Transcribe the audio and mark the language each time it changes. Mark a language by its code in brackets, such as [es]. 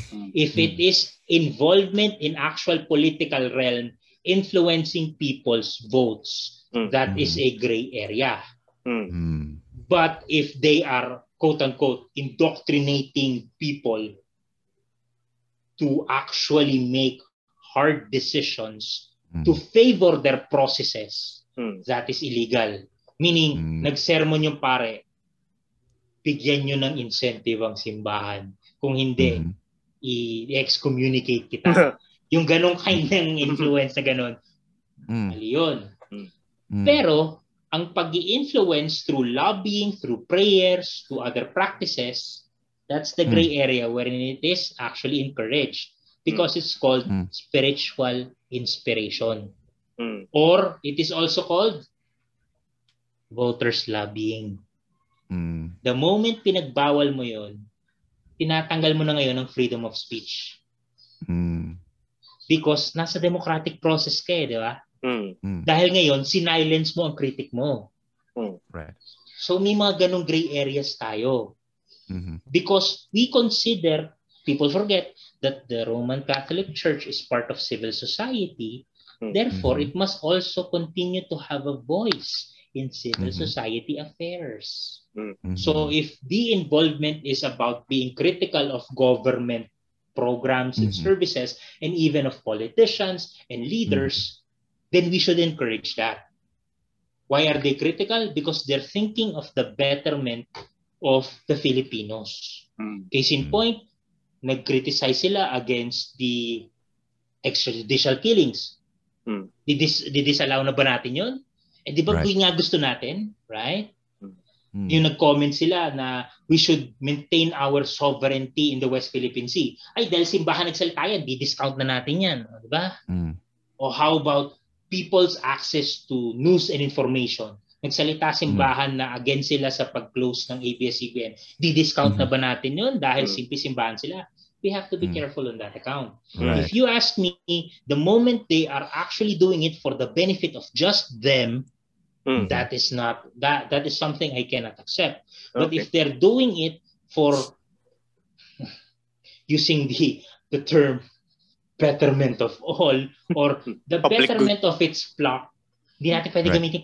[en] If it is involvement in actual political realm, influencing people's votes, that is a gray area. But if they are, quote-unquote, indoctrinating people to actually make hard decisions to favor their processes, that is illegal. [tl] Meaning, nag-sermon yung pare, bigyan nyo ng incentive ang simbahan. Kung hindi, i-excommunicate kita. Yung ganong kind ng influence na ganon, mali yun. Pero, ang pag-i-influence [en] through lobbying, through prayers, to other practices, that's the gray area wherein it is actually encouraged. Because it's called spiritual inspiration. Or it is also called voters lobbying. The moment [tl] pinagbawal mo yon, tinatanggal mo na ngayon ang freedom of speech. Because nasa democratic process ka eh, di ba? Dahil ngayon, sinilence mo ang critic mo. [en] Right. [tl] So may mga ganong gray areas tayo. Mm-hmm. [en] Because we consider, people forget, that the Roman Catholic Church is part of civil society. Therefore, mm-hmm. it must also continue to have a voice in civil mm-hmm. society affairs. Mm-hmm. So if the involvement is about being critical of government programs mm-hmm. and services, and even of politicians and leaders, mm-hmm. then we should encourage that. Why are they critical? Because they're thinking of the betterment of the Filipinos. Mm-hmm. Case in point, [tl] nag-criticize sila against the extrajudicial killings. [en] Did this allow [tl] na ba natin yun? Eh di ba right. nga gusto natin? Right? Mm. Yung nag-comment sila na [en] we should maintain our sovereignty in the West Philippine Sea. [tl] Ay, dahil simbahan nagsalita yan, di-discount na natin yan. Di ba? Mm. [en] O how about people's access to news and information? [tl] Nagsalita simbahan na against sila sa pag-close ng ABS-CBN. Di-discount na ba natin yun dahil simple simbahan sila? [en] We have to be careful on that account. Right. If you ask me, the moment they are actually doing it for the benefit of just them, that is not that is something I cannot accept. But if they're doing it for using the term betterment of all or the betterment good. Of its flock, [tl] di natin pwede [en] right.